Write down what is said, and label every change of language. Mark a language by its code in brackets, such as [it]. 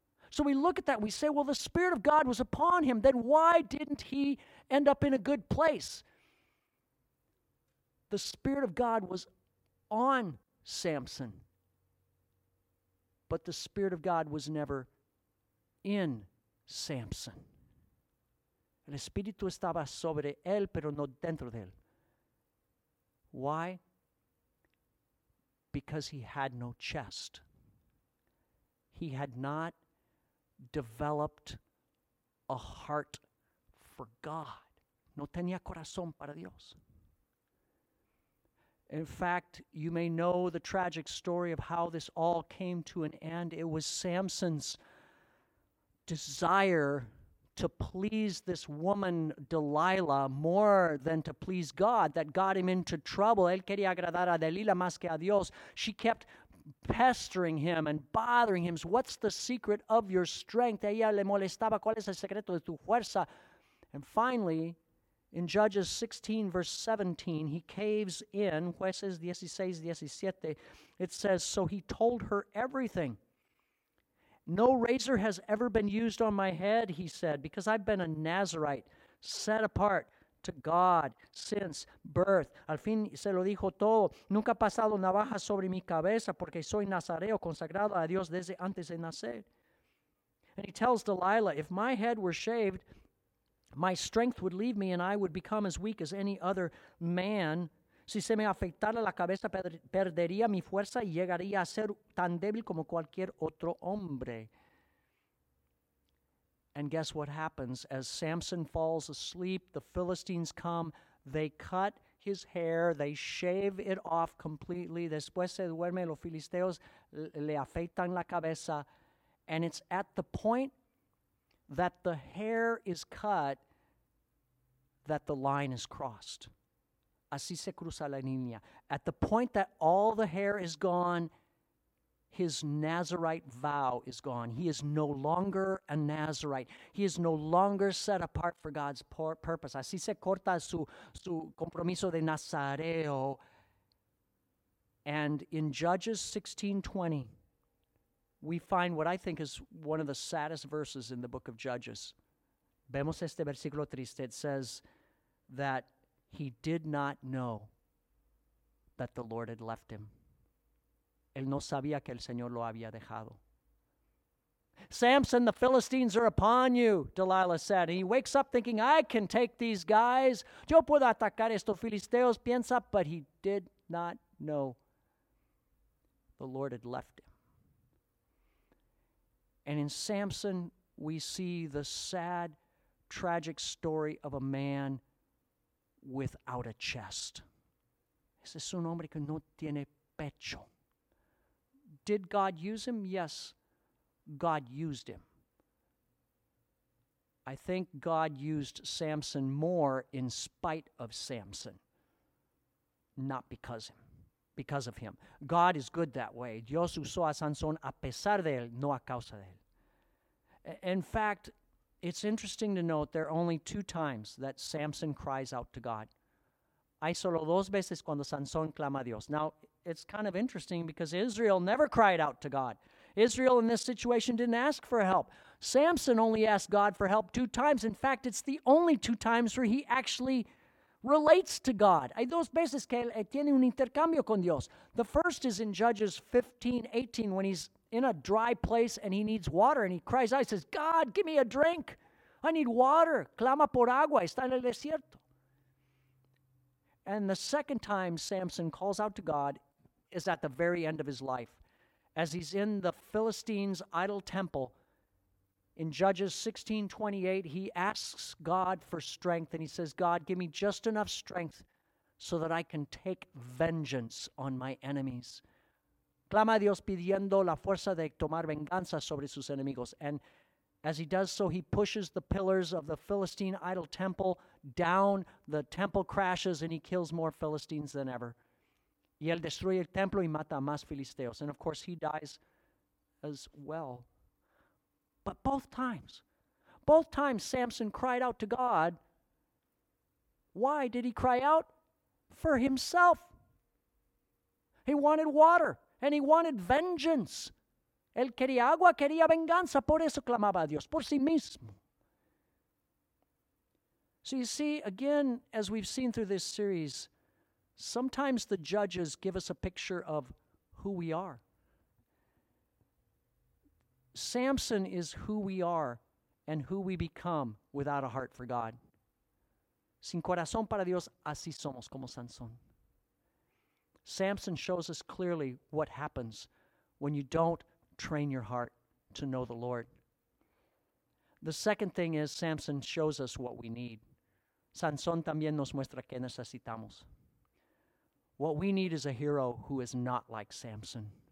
[en] So we look at that, we say, well, the Spirit of God was upon him. Then why didn't he end up in a good place? The Spirit of God was on Samson. But the Spirit of God was never in Samson. [es] El Espíritu estaba sobre él, pero no dentro de él. [en] Why? Because he had no chest. He had not developed a heart for God. [es] No tenía corazón para Dios. [en] In fact, you may know the tragic story of how this all came to an end. It was Samson's desire to please this woman, Delilah, more than to please God, that got him into trouble. [es] Él quería agradar a Delila más que a Dios. [en] She kept pestering him and bothering him. What's the secret of your strength? [es] Ella le molestaba. ¿Cuál es el secreto de tu fuerza? [en] And finally, in Judges 16, verse 17, he caves in. [es] Jueces 16, 17. [en] It says, so he told her everything. No razor has ever been used on my head, he said, because I've been a Nazarite, set apart to God since birth. [es] Al fin se lo dijo todo. Nunca ha pasado navaja sobre mi cabeza porque soy nazareo, consagrado a Dios desde antes de nacer. [en] And he tells Delilah, if my head were shaved, my strength would leave me and I would become as weak as any other man. [es] Si se me afeitara la cabeza, perdería mi fuerza y llegaría a ser tan débil como cualquier otro hombre. [en] And guess what happens? As Samson falls asleep, the Philistines come, they cut his hair, they shave it off completely. [es] Después se duerme, los filisteos le afeitan la cabeza. [en] And it's at the point that the hair is cut that the line is crossed. [es] Así se cruza la línea. [en] At the point that all the hair is gone, his Nazarite vow is gone. He is no longer a Nazarite. He is no longer set apart for God's purpose. [es] Así se corta su compromiso de Nazareo. [en] And in Judges 16:20, we find what I think is one of the saddest verses in the book of Judges. [es] Vemos este versículo triste. [en] It says that he did not know that the Lord had left him. [es] Él no sabía que el Señor lo había dejado. [en] Samson, the Philistines are upon you, Delilah said. And he wakes up thinking, I can take these guys. [es] Yo puedo atacar estos filisteos, piensa. [en] But he did not know the Lord had left him. And in Samson, we see the sad tragic story of a man without a chest. [es] Ese es un hombre que no tiene pecho. [en] Did God use him? Yes, God used him. I think God used Samson more in spite of Samson, not because of him. God is good that way. [es] Dios usó a Sansón a pesar de él, no a causa de él. [en] In fact, it's interesting to note there are only two times that Samson cries out to God. [es] Hay solo dos veces cuando Sansón clama a Dios. [en] Now, it's kind of interesting because Israel never cried out to God. Israel in this situation didn't ask for help. Samson only asked God for help two times. In fact, it's the only two times where he actually relates to God. [es] Hay dos veces que él tiene un intercambio con Dios. [en] The first is in Judges 15:18 when he's in a dry place and he needs water and he cries out. He says, God, give me a drink. I need water. [es] Clama por agua. Está en el desierto. [en] And the second time Samson calls out to God is at the very end of his life as he's in the Philistines' idol temple. In Judges 16:28, he asks God for strength, and he says, God, give me just enough strength so that I can take vengeance on my enemies. [es] Clama a Dios pidiendo la fuerza de tomar venganza sobre sus enemigos. [en] And as he does so, he pushes the pillars of the Philistine idol temple down. The temple crashes, and he kills more Philistines than ever. [es] Y él destruye el templo y mata a más filisteos. [en] And of course, he dies as well. But both times Samson cried out to God. Why did he cry out? For himself. He wanted water and he wanted vengeance. [es] Él quería agua, quería venganza. Por eso clamaba a Dios, por sí mismo. [en] So you see, again, as we've seen through this series, sometimes the judges give us a picture of who we are. Samson is who we are and who we become without a heart for God. [es] Sin corazón para Dios, así somos como Sansón. [en] Samson shows us clearly what happens when you don't train your heart to know the Lord. The second thing is Samson shows us what we need. [es] Sansón también nos muestra qué necesitamos. [en] What we need is a hero who is not like Samson.